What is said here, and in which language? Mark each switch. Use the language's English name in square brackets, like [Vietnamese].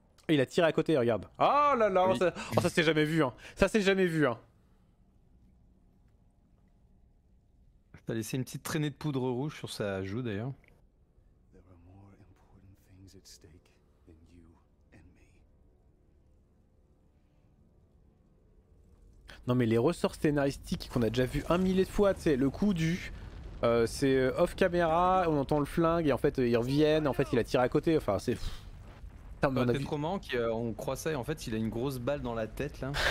[French] Il a tiré à côté, regarde. Oh là là, oui. Oh, ça s'est jamais vu, hein. Ça s'est jamais vu, hein. Ça a laissé une petite traînée de poudre rouge sur sa joue d'ailleurs. [English] There are more important things at stake than you and me. [French] Non mais les ressorts scénaristiques qu'on a déjà vu un millier de fois, tu sais, le coup du... c'est off caméra, on entend le flingue et en fait ils reviennent, en fait il a tiré à côté, enfin c'est... Tain, mais on a vu... comment qu'on croit ça et en fait il a une grosse balle dans la tête là.